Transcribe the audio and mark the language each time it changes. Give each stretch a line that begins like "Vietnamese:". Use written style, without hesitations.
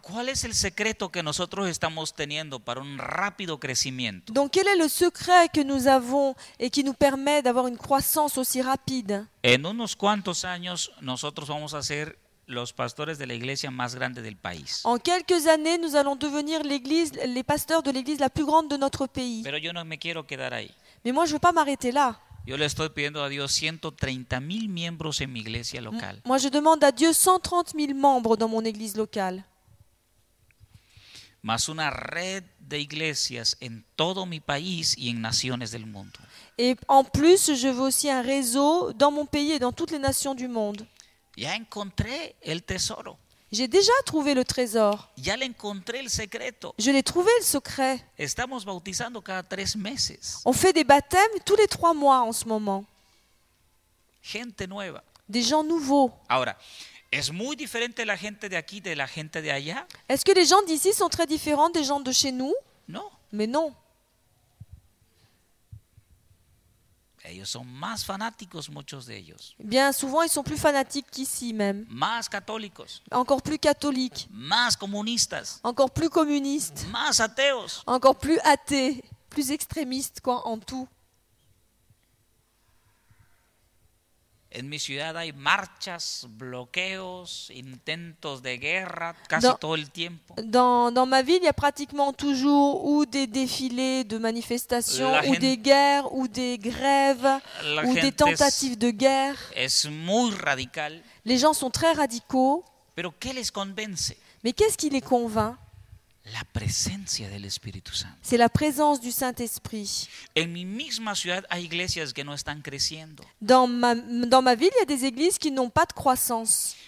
Spanish: ¿Cuál es el secreto que nosotros estamos teniendo para un rápido crecimiento?
French: Donc quel est le secret que nous avons et qui nous permet d'avoir une croissance aussi rapide?
Spanish: En unos cuantos años nosotros vamos a ser los pastores de la iglesia más grande del país.
French: En quelques années, nous allons devenir l'église, les pasteurs de l'église la plus grande de notre pays.
Spanish: Pero yo no me quiero quedar ahí.
French: Mais moi, je veux pas m'arrêter là.
Spanish: Yo le estoy pidiendo a Dios 130 mil miembros en mi iglesia local.
French: Moi, je demande à Dieu 130 000 membres dans mon église locale.
Spanish: Más una red de iglesias en todo mi país y en naciones del mundo.
French: Et en plus, je veux aussi un réseau dans mon pays et dans toutes les nations du monde.
Spanish: Ya encontré el tesoro.
French: J'ai déjà trouvé le trésor.
Spanish: Ya le encontré el secreto.
French: Je l'ai trouvé le secret.
Spanish: Estamos bautizando cada tres meses.
French: On fait des baptêmes tous les trois mois en ce moment.
Spanish: Gente nueva.
French: Des gens nouveaux.
Spanish: Ahora, ¿es muy diferente la gente de aquí de la gente de allá?
French: Est-ce que les gens d'ici sont très différents des gens de chez nous? Non. Mais non.
Spanish: Ellos son más fanáticos muchos de ellos.
French: Bien souvent ils sont plus fanatiques qu'ici même.
Spanish: Más católicos.
French: Encore plus catholiques.
Spanish: Más comunistas.
French: Encore plus communistes.
Spanish: Más ateos.
French: Encore plus athées, plus extrémistes quoi en tout.
Spanish: En mi ciudad hay marchas, bloqueos, intentos de guerra casi dans, todo el tiempo.
French: Dans ma ville, il y a pratiquement toujours ou des défilés de manifestations, ou des guerres, ou des grèves, ou des tentatives de guerre.
Spanish: Es muy radical.
French: Les gens sont très radicaux.
Spanish: Pero ¿qué les convence?
French: Mais qu'est-ce qui les convainc?
Spanish: La presencia del Espíritu Santo.
French: C'est la présence du Saint-Esprit.
Spanish: En mi misma ciudad hay iglesias que no están creciendo.
French: Dans ma ville, il y a des églises qui n'ont pas de croissance.